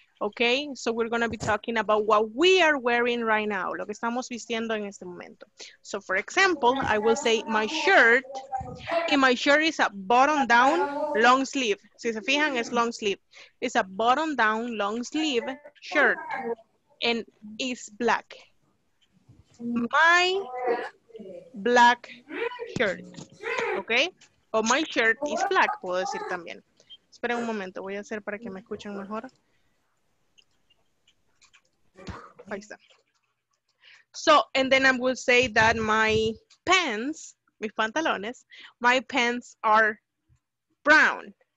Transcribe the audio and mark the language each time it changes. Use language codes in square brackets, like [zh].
[en] Ok, so we're going to be talking about what we are wearing right now, [es] lo que estamos vistiendo en este momento. [en] So for example, I will say my shirt, and my shirt is a bottom down long sleeve. [es] Si se fijan, es long sleeve. [en] It's a bottom down long sleeve shirt, and it's black. My black shirt, ok, o my shirt is black, [es] puedo decir también. Esperen un momento, voy a hacer para que me escuchen mejor. Ahí está. [en] So, and then I will say that my pants, [es] mis pantalones, [en] my pants are brown.